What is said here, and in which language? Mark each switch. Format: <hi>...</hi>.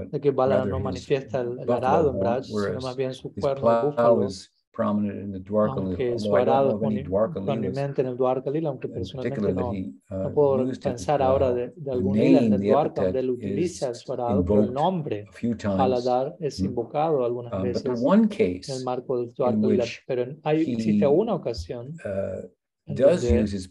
<es>de que Balaram no manifiesta el arado en Braj, sino más bien su cuerno de búfalo.</es> <en>Prominent in the Dwarka Lila, although I don't know of any Dwarka Lila,</en> <es>aunque personalmente no puedo pensar ahora de algún Lila en el Dwarka, donde él utiliza su arado, pero el nombre Haladhar es invocado algunas veces en el marco del Dwarka Lila, pero existe una ocasión donde</es>